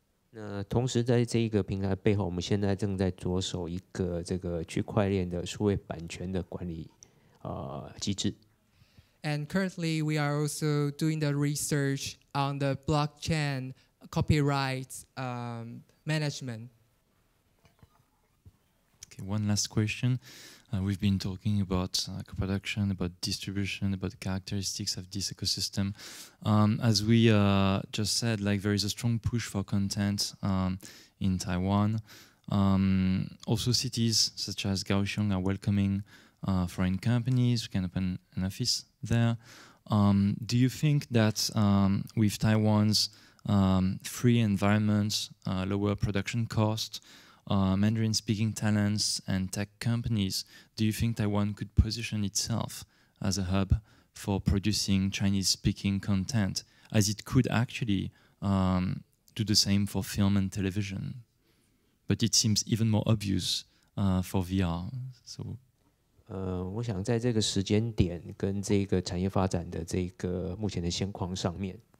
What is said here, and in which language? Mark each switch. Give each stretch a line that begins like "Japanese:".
Chinese: 那同时在这一个平台背后，我们现在正在着手一个这个区块链的数位版权的管理机制。
English: And currently, we are also doing the research on the blockchain copyrights management. One last question. We've been talking about co-production, about distribution, about the characteristics of this ecosystem. As we just said, like, there is a strong push for content in Taiwan. Also, cities such as Kaohsiung are welcoming foreign companies. We can open an office there. Do you think that with Taiwan's free environment, lower production cost,Mandarin-speaking talents and tech companies, do you think Taiwan could position itself as a hub for producing Chinese-speaking content, as it could actually do the same for film and television? But it seems even more obvious for VR. So,
Chinese: 我想在这个时间点跟这个产业发展的这个目前的现况上面